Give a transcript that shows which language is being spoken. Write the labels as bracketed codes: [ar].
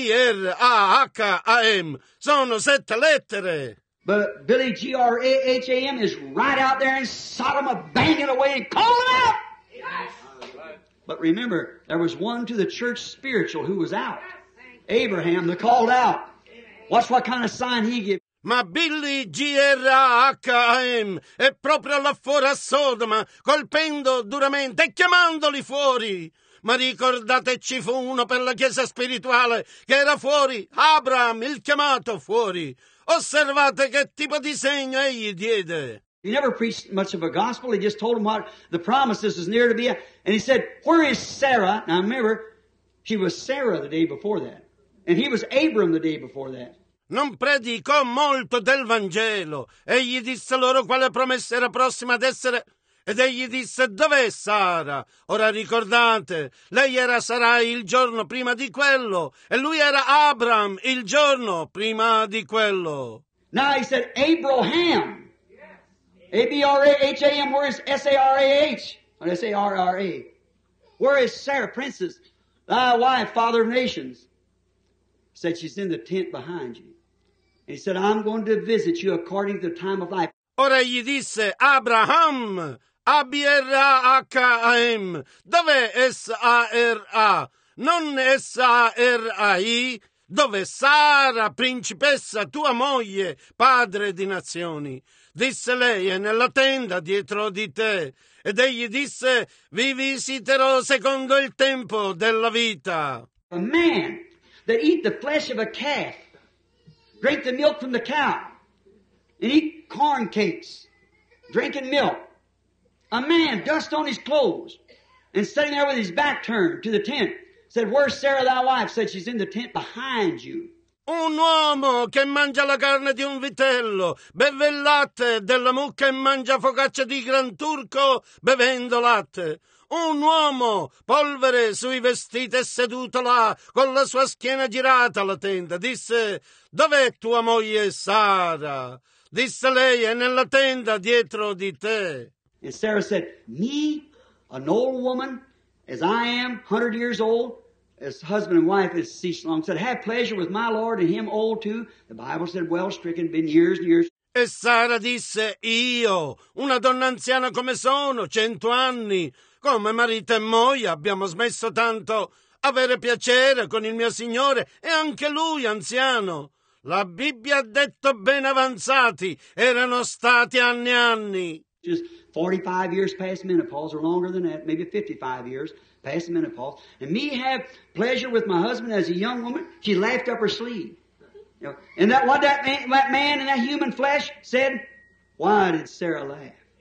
[it] A-B-R-A-H-A-M, sono sette lettere. [en] But Billy G-R-A-H-A-M is right out there in Sodom banging away and calling out. But remember, there was one to the church spiritual who was out. Abraham, the called out. Watch what kind of sign he gave. [it] Ma Billy G-R-A-H-A-M è proprio là fuori a Sodoma, colpendo duramente e chiamandoli fuori. Ma ricordate, ci fu uno per la chiesa spirituale che era fuori, Abraham, il chiamato fuori. Osservate che tipo di segno egli diede. [en] He never preached much of a gospel. He just told them what the promises was near to be. And he said, where is Sarah? Now remember, she was Sarah the day before that. And he was Abram the day before that. [it] Non predicò molto del Vangelo. Egli disse loro quale promessa era prossima ad essere. Ed egli disse, dov'è Sara? Ora ricordate, lei era Sarai il giorno prima di quello. E lui era Abram il giorno prima di quello. [en] Now he said, Abraham. A-B-R-A-H-A-M, where is S-A-R-A-H? Or S-A-R-R-A. Where is Sarah, princess, thy wife, father of nations? Said, she's in the tent behind you. And he said, I'm going to visit you according to the time of life. [it] Ora gli disse, Abraham, A-B-R-A-H-A-M, dove S-A-R-A? Non S-A-R-A-I, dove Sara, principessa, tua moglie, padre di nazioni? Disse lei, è nella tenda dietro di te. Ed egli disse, vi visiterò secondo il tempo della vita. [en] A man that eat the flesh of a calf, drink the milk from the cow, and eat corn cakes, drinking milk. A man, dust on his clothes, and sitting there with his back turned to the tent, said, where's Sarah thy wife? Said, she's in the tent behind you. [it] Un uomo che mangia la carne di un vitello, beve il latte della mucca e mangia focaccia di gran turco bevendo latte. Un uomo, polvere sui vestiti e seduto là, con la sua schiena girata alla tenda, disse, dov'è tua moglie Sara? Disse lei, è nella tenda dietro di te. [en] E Sarah said, me, an old woman, as I am, 100 years old, as husband and wife has ceased long, said, have pleasure with my Lord and him old too. The Bible said, well stricken, been years and years. [it] E Sara disse, io, una donna anziana come sono, 100 anni, come marito e moglie abbiamo smesso tanto avere piacere con il mio Signore e anche lui anziano. La Bibbia ha detto ben avanzati, erano stati anni e anni. [en] Just 45 years past menopause or longer than that, maybe 55 years. Past the menopause, and me have pleasure with my husband as a young woman, she laughed up her sleeve. You know, and that what that man in that human flesh said, why did Sarah laugh?